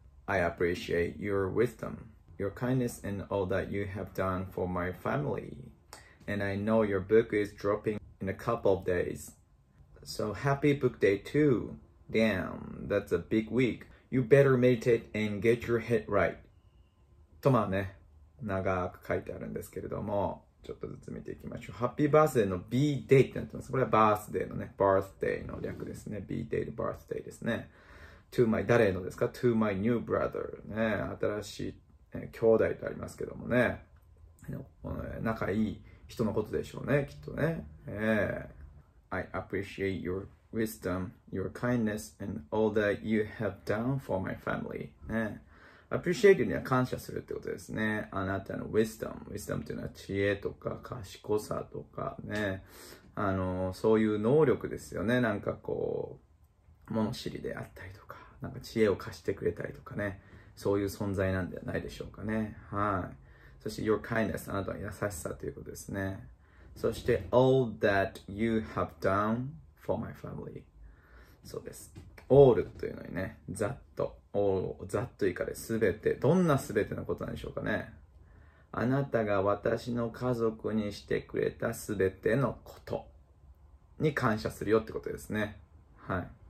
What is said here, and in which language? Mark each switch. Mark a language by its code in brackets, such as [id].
[en] I appreciate your wisdomYour kindness and all that you have done for my family. And I know your book is dropping in a couple of days. So happy book day too. Damn, that's a big week. You better meditate and get your head right. [ja] とまあね、長く書いてあるんですけれども、ちょっとずつ見ていきましょう。 Happy birthday の B day ってなってます。これは birthday のね、birthday の略ですね。B day で birthday ですね。 [en] To my, [ja] 誰のですか [en] ?To my new brother. [ja] ね、新しい兄弟とありますけどもね、仲いい人のことでしょうね、きっとね。 [en] I appreciate your wisdom, your kindness, and all that you have done for my family. [ja] ね、appreciate には感謝するってことですね。あなたの wisdom、wisdom というのは知恵とか賢さとかね、そういう能力ですよね。なんかこう物知りであったりとか、なんか知恵を貸してくれたりとかね。そういう存在なんではないでしょうかね。はい。そして [en] your kindness、 [ja] あなたの優しさということですね。 [en] そして all that you have done for my family。 [ja] そうです、 all というのにね、ざっと、 all をざっと以下で、すべて、どんなすべてのことなんでしょうかね。あなたが私の家族にしてくれたすべてのことに感謝するよってことですね。はい。